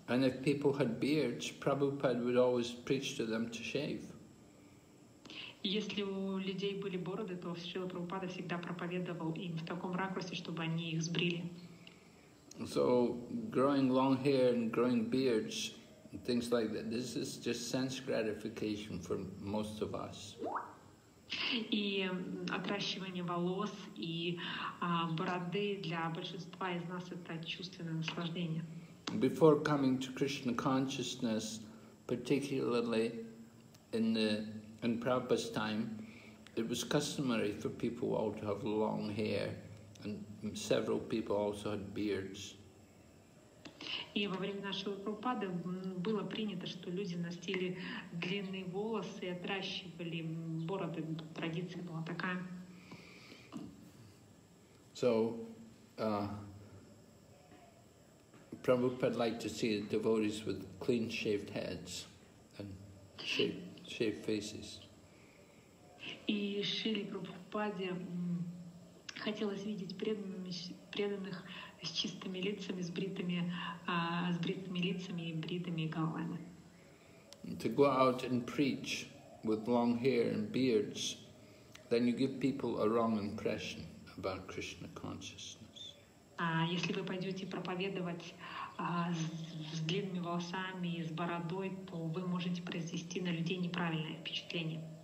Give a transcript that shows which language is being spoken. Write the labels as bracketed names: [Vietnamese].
[English] And if people had beards, Prabhupada would always preach to them to shave. [Russian] Если у людей были бороды, то Шрила Прабхупада всегда проповедовал им в таком ракурсе, чтобы они их сбрили. [English] So growing long hair and growing beards, things like that, this is just sense gratification for most of us. [Russian] И отращивание волос и бороды для большинства из нас это чувственное наслаждение. [English] Before coming to Krishna consciousness, particularly in Prabhupada's time, it was customary for people all to have long hair, and several people also had beards. [Russian] И во время нашего Прабхупады было принято, что люди носили длинные волосы и отращивали бороды. Традиция была такая. [English] So, Prabhupada liked to see the devotees with clean-shaved heads and shaved faces. [Russian] И Шрила Прабхупаде хотелось видеть преданных с чистыми лицами, с бритыми лицами и бритыми головами. [English] To go out and preach with long hair and beards, then you give people a wrong impression about Krishna consciousness. [Russian] Если вы пойдете проповедовать с длинными волосами и с бородой, то вы можете произвести на людей неправильное впечатление.